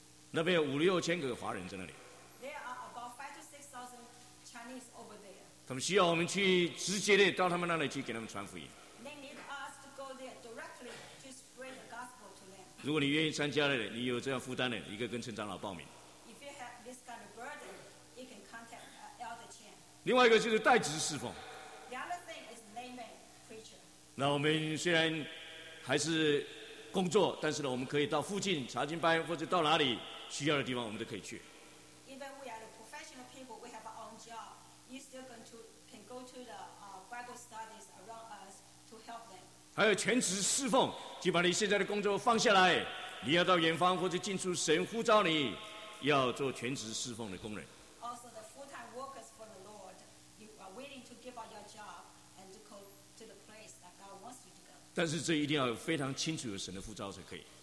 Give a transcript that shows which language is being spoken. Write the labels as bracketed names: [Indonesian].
[Chinese] 那边有五六千个华人在那里。 [English] There are about 5,000 to 6,000 Chinese over there. [Chinese] 他们需要我们去直接的到他们那里去给他们传福音。 [English] They need us to go there directly to spread the gospel to them. [Chinese] 如果你愿意参加的，你有这样负担的，你可以跟陈长老报名。 [English] If you have this kind of burden, you can contact Elder Chen. [Chinese] 另外一个就是代职侍奉。 [English] The other thing is layman preacher. [Chinese] 那我们虽然还是工作，但是呢，我们可以到附近查经班，或者到哪里需要的地方，我们都可以去。 [English] Even we are the professional people, we have our own job. You still can go to the Bible studies around us to help them. [Chinese] 还有全职侍奉，就把你现在的工作放下来，你要到远方或者进出神呼召你，要做全职侍奉的工人。 [English] Also the full-time workers for the Lord, you are willing to give up your job and to go to the place that God wants you to. [Chinese] 但是这一定要非常清楚有神的呼召才可以。